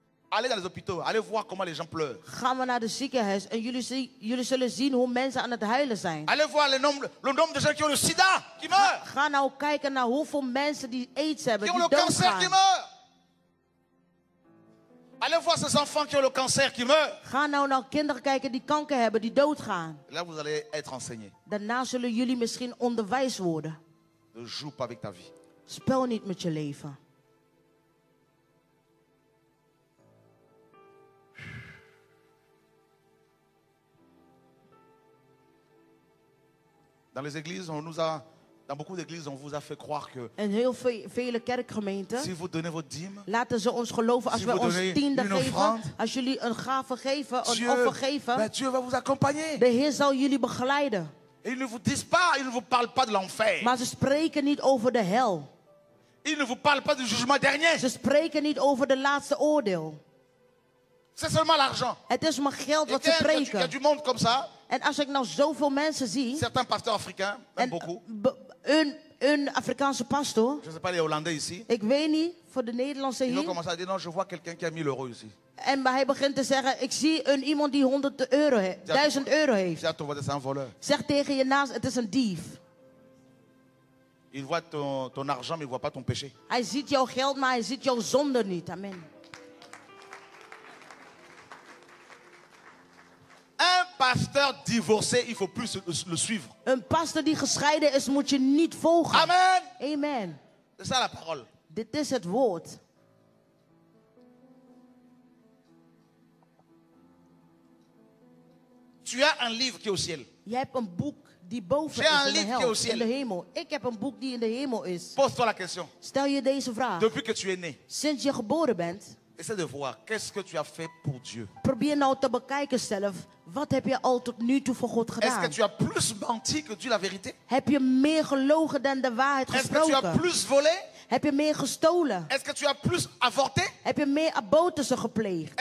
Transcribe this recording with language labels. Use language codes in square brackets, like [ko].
[fr] Allez dans les hôpitaux, allez voir comment les gens pleurent. [nl] Ga maar naar de ziekenhuis en jullie zullen zien hoe mensen aan het huilen zijn. [fr] Allez voir le nombre de gens qui ont le sida, qui meurent. [nl] Ga nou kijken naar hoeveel mensen die AIDS hebben, die doodgaan. [fr] Cancer, qui meurent. Allez voir ces enfants qui ont le cancer, qui meurent. [nl] Ga nou naar kinderen kijken die kanker hebben, die doodgaan. [fr] Là vous allez être enseigné. [nl] Daarna zullen jullie misschien onderwijs worden. [fr] Ne joue pas avec ta vie. [nl] Speel niet met je leven. [fr] Dans les églises, on nous a, dans beaucoup d'églises, on vous a fait croire que. [nl] In heel vele kerkgemeenten. [fr] Si vous donnez votre dîme. [nl] Laten ze ons geloven als [fr] si [nl] wij ons tiende geven. Als jullie een gave geven, [fr] Dieu, [nl] een offer geven. [fr] Ben, Dieu va vous accompagner. [nl] De Heer zal jullie begeleiden. [fr] Ils ne vous disent pas, ils ne vous parlent pas de l'enfer. [nl] Maar ze spreken niet over de hel. [fr] Ils ne vous parlent pas du jugement dernier. [nl] Ze spreken niet over de laatste oordeel. [fr] C'est seulement l'argent. [nl] Het is maar geld wat ze spreken. [fr] Il y a du monde comme ça. [nl] En als ik nou zoveel mensen zie. [fr] Certains pasteurs africains, même beaucoup. [nl] Een Afrikaanse pastor. [fr] Je sais pas les Hollandais ici. [nl] Ik weet niet voor de Nederlandse hier. [fr] Ils ont commencé à dire, non, je vois quelqu'un qui a 1000 euros ici. [nl] En hij begint te zeggen, ik zie een iemand die 100 euro, 1000 euro heeft. [fr] Ja, toi, c'est un voleur. [nl] Zeg tegen je naast, het is een dief. [fr] Il voit ton argent, mais il voit pas ton péché. [nl] Hij ziet jouw geld, maar hij ziet jouw zonde niet. Amen. [fr] Un pasteur divorcé, il faut plus le suivre. [nl] Een pasteur die gescheiden is, moet je niet volgen. Amen. Amen. [fr] C'est ça la parole. [nl] Dit is het woord. [fr] Tu as un livre qui est au ciel. [nl] Je hebt een boek die boven is [fr] un [nl] in [fr] livre [nl] de hel, [fr] qui est au ciel. [nl] In de hemel. Ik heb een boek die in de hemel is. [fr] Pose-toi la question. [nl] Stel je deze vraag. [fr] Depuis que tu es né. [nl] Sinds je geboren bent. [fr] Essaie de voir qu'est-ce que tu as fait pour Dieu. [nl] Probeer nou te bekijken zelf. Wat heb je al tot nu toe voor God gedaan? [fr] Est-ce que tu as plus menti que Dieu la vérité? [nl] Heb je meer gelogen dan de waarheid gesproken? [fr] Est-ce que tu as plus volé? [nl] Heb je meer gestolen? [fr] Est-ce que tu as plus avorté? [nl] Heb je meer abortussen gepleegd?